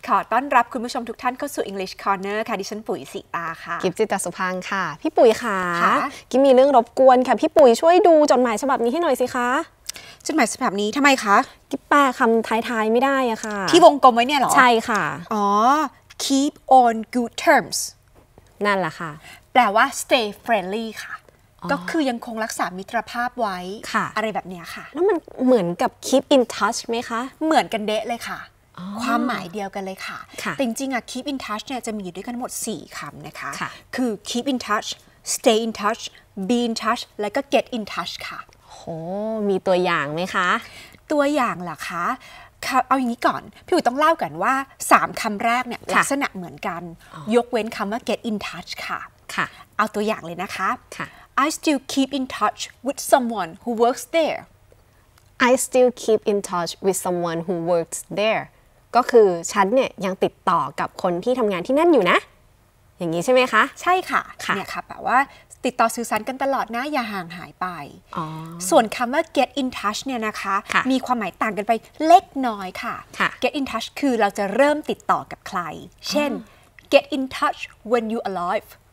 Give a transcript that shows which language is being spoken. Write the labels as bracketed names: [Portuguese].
[Thai] ขอต้อนรับคุณผู้ชมทุกท่านเข้าสู่ English Corner ค่ะดิฉันปุ๋ยสิตาค่ะ กิฟต์จิตสุพังค่ะพี่ปุ๋ย ค่ะกิฟต์มีเรื่องรบกวนค่ะพี่ปุ๋ยช่วยดูจดหมายฉบับนี้ให้หน่อยสิคะ จดหมายฉบับนี้ทำไมคะ กิฟต์แปลคำท้ายๆไม่ได้อะค่ะ ที่วงกลมไว้เนี่ยหรอ ใช่ค่ะ อ๋อ keep on good terms นั่นแหละค่ะ แปลว่า stay friendly ค่ะก็คือยังคงรักษามิตรภาพไว้อะไรแบบเนี้ยค่ะ แล้วมันเหมือนกับ keep in touch ไหมคะ เหมือนกันเดะเลยค่ะความหมายเดียวกันเลยค่ะแต่จริงๆอ่ะ keep in touch เนี่ยจะมีด้วยกันหมด4คำนะ คะ คือ keep in touch stay in touch be in touch แล้วก็ get in touch ค่ะ โหมีตัวอย่างไหมคะ ตัวอย่างเหรอคะเอาอย่างนี้ก่อนพี่อุ๋ยต้องเล่ากันว่า3คำแรกเนี่ยลักษณะเหมือนกันยกเว้นคำว่า get in touch ค่ะ ค่ะ เอาตัวอย่างเลยนะ คะ [English] I still keep in touch with someone who works there. I still keep in touch with someone who works there. [Thai] ก็คือฉันเนี่ยยังติดต่อกับคนที่ทำงานที่นั่นอยู่นะอย่างนี้ใช่ไหมคะ ใช่ค่ะ ค่ะ เนี่ยค่ะแปลว่าติดต่อสื่อสารกันตลอดนะอย่าห่างหายไป อ๋อ ส่วนคำว่า get in touch เนี่ยนะ คะ มีความหมายต่างกันไปเล็กน้อยค่ะ ค่ะ get in touch คือเราจะเริ่มติดต่อกับใครเช่น [English] get in touch when you arrive